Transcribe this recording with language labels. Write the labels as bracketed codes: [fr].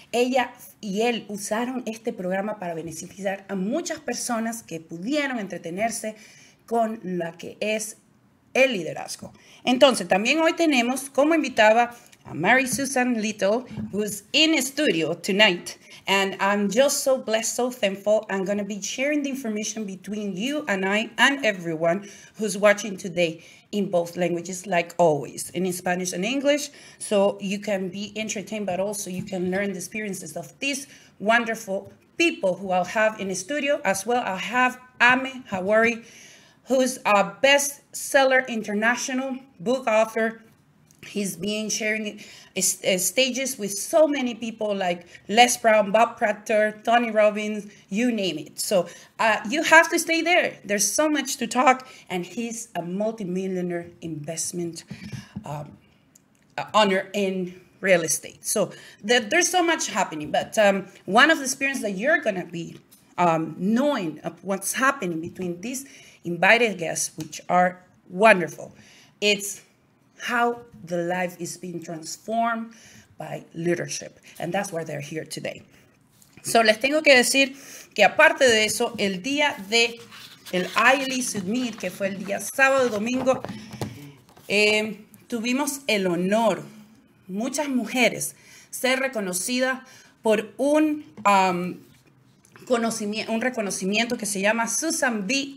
[es] Ella y él usaron este programa para beneficiar a muchas personas que pudieron entretenerse con lo que es el liderazgo. Entonces, también hoy tenemos como invitada a Mary Susan Little, [en] who's in a studio tonight. And I'm just so blessed, so thankful. I'm going to be sharing the information between you and I and everyone who's watching today in both languages, like always, in Spanish and English, so you can be entertained, but also you can learn the experiences of these wonderful people who I'll have in the studio. As well, I'll have Ahmed Hawari, who's a bestseller international book author. He's been sharing stages with so many people like Les Brown, Bob Proctor, Tony Robbins, you name it. So you have to stay there. There's so much to talk. And he's a multimillionaire investment owner in real estate. So there's so much happening. But one of the experiences that you're going to be knowing of what's happening between these invited guests, which are wonderful, it's how the life is being transformed by leadership. And that's why they're here today. [es] So les tengo que decir que aparte de eso, el día de el iLead Summit, que fue el día sábado y domingo, tuvimos el honor, muchas mujeres, ser reconocidas por un reconocimiento que se llama Susan B.